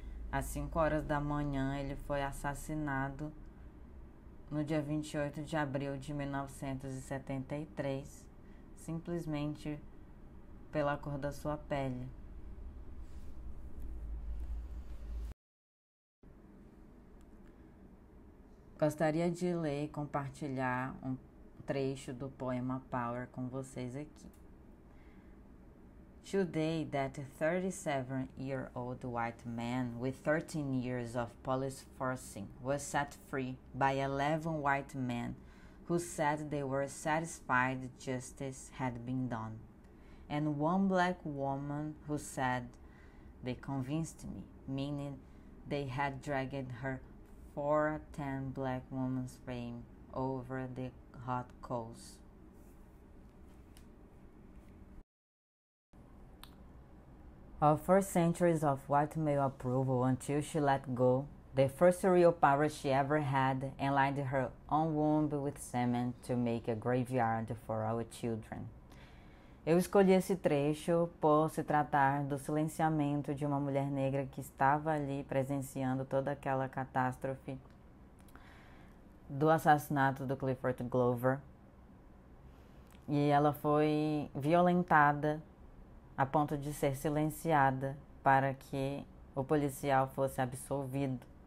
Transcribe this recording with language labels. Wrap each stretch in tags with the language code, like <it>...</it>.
<pt>Às 5 horas da manhã, ele foi assassinado no dia 28 de abril de 1973, simplesmente pela cor da sua pele. Gostaria de ler e compartilhar um trecho do poema Power com vocês aqui.</pt> <en>Today, that 37-year-old white man with 13 years of police forcing was set free by 11 white men who said they were satisfied justice had been done, and one black woman who said they convinced me, meaning they had dragged her 4'10 black woman's frame over the hot coals. Of 4 centuries of white male approval until she let go, the first real power she ever had, and lined her own womb with semen to make a graveyard for our children.</en> <pt>Eu escolhi esse trecho por se tratar do silenciamento de uma mulher negra que estava ali presenciando toda aquela catástrofe do assassinato do Clifford Glover. E ela foi violentada a ponto de ser silenciada para que o policial fosse absolvido.</pt>